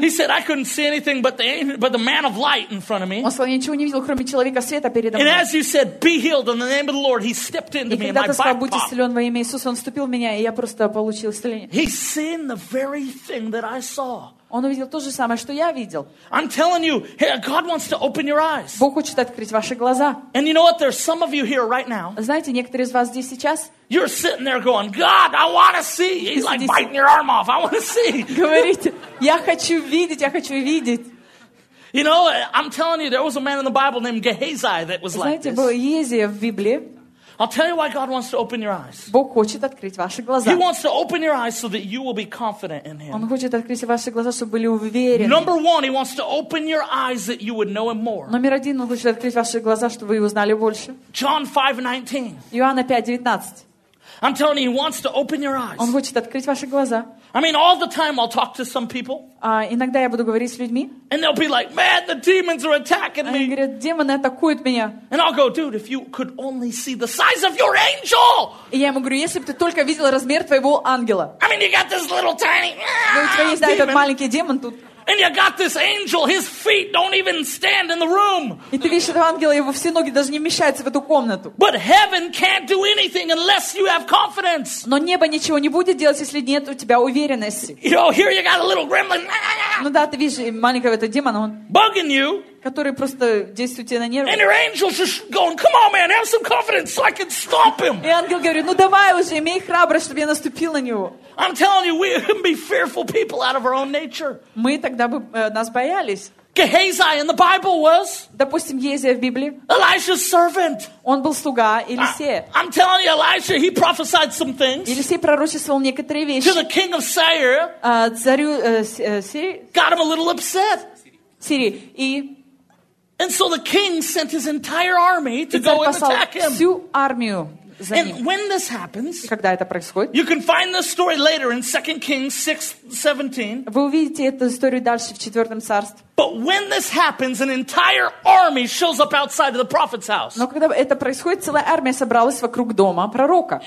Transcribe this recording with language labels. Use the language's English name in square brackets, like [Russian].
[English] He said, "I couldn't see anything but the man of light in front of me." [Russian] Он сказал, я ничего не видел, кроме человека света передо мной. [English] And as you said, "Be healed in the name of the Lord," he stepped into me, and my back popped. [Russian] И когда ты сказал, будь исцелен во имя Иисуса, он вступил в меня, и я просто получил исцеление. [English] He's seen the very thing that I saw. [Russian] Он увидел то же самое, что я видел. [English] I'm telling you, God wants to open your eyes. [Russian] Бог хочет открыть ваши глаза. [English] And you know what? There's some of you here right now. [Russian] Знаете, некоторые из вас здесь сейчас. [English] You're sitting there going, God, I want to see. He's like biting your arm off. I want to see. [Russian] Говорите, я хочу видеть, я хочу видеть. [English] You know, I'm telling you, there was a man in the Bible named Gehazi that was [Russian] знаете, [English] like this. [Russian] Знаете, был Гехазий в Библии. [English] I'll tell you why God wants to open your eyes. [Russian] Бог хочет открыть ваши глаза. [English] He wants to open your eyes so that you will be confident in Him. [Russian] Он хочет открыть ваши глаза, чтобы были уверены. [English] Number one, He wants to open your eyes that you would know Him more. [Russian] Номер один, Он хочет открыть ваши глаза, чтобы вы его знали больше. [English] John 5:19. [Russian] Иоанна 5:19. [English] I'm telling you, He wants to open your eyes. [Russian] Он хочет открыть ваши глаза. [English] I mean, all the time I'll talk to some people. [Russian] Иногда я буду говорить с людьми. [English] And they'll be like, "Man, the demons are attacking me." [Russian] Они говорят, демоны атакуют меня. [English] And I'll go, "Dude, if you could only see the size of your angel." [Russian] И я ему говорю, если бы ты только видел размер твоего ангела. [English] I mean, you got this little tiny. [Russian] Но у тебя есть этот маленький демон тут. [English] And you got this angel, his feet don't even stand in the room. [Russian] И ты видишь этого ангела, его все ноги даже не вмещаются в эту комнату. [English] But heaven can't do anything unless you have confidence. [Russian] Но небо ничего не будет делать, если нет у тебя уверенности. [English] You know, here you got a little gremlin. [Russian] Ну да, ты видишь маленького этого демона, он [English] bugging you. [Russian] которые просто действуют тебе на нервы. [English] And your angels just going, come on, man, have some confidence so I can stomp him. [Russian] И ангел говорит, ну давай уже, имей храбрость, чтобы я наступил на него. [English] I'm telling you, we can be fearful people out of our own nature. [Russian] Мы тогда бы нас боялись. [English] Gehazi in the Bible was. [Russian] Допустим, Гезия в Библии. [English] Elisha's servant. [Russian] Он был слуга Елисея. [English] I'm telling you, Elisha, he prophesied some things. [Russian] Елисей пророчествовал некоторые вещи. [English] To the king of Syria. [Russian] Царю Сирии. [English] Got him a little upset. [Russian] Сирии. [English] And so the king sent his entire army to go and attack him. [Russian] Всю армию. [English] And when this happens, [Russian] когда это происходит, [English] you can find this story later in 2 Kings 6:17. [Russian] Вы увидите эту историю дальше в 4 царстве. [English] But when this happens, an entire army shows up outside of the prophet's house. [Russian] Но когда это происходит, целая армия собралась вокруг дома пророка.